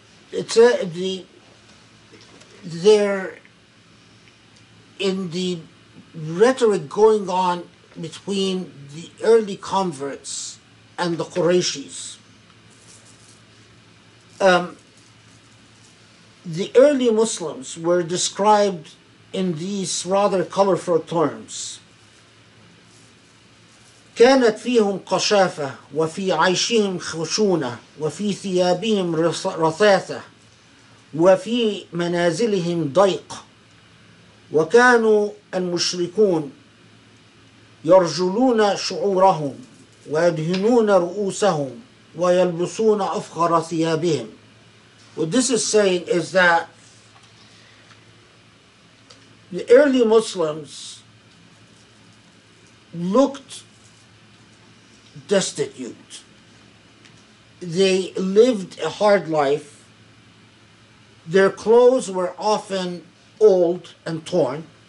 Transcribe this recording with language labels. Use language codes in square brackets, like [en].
[en] It's there in the rhetoric going on between the early converts and the Qurayshis. The early Muslims were described in these rather colorful terms. [ar] كانت فيهم قشافة وفي عيشهم خشونة وفي ثيابهم رثاثة وفي منازلهم ضيق وكانوا المشركون يرجلون شعورهم ويدهنون رؤوسهم ويلبسون أفخر ثيابهم. [en] What this is saying is that the early Muslims looked destitute. They lived a hard life. Their clothes were often old and torn.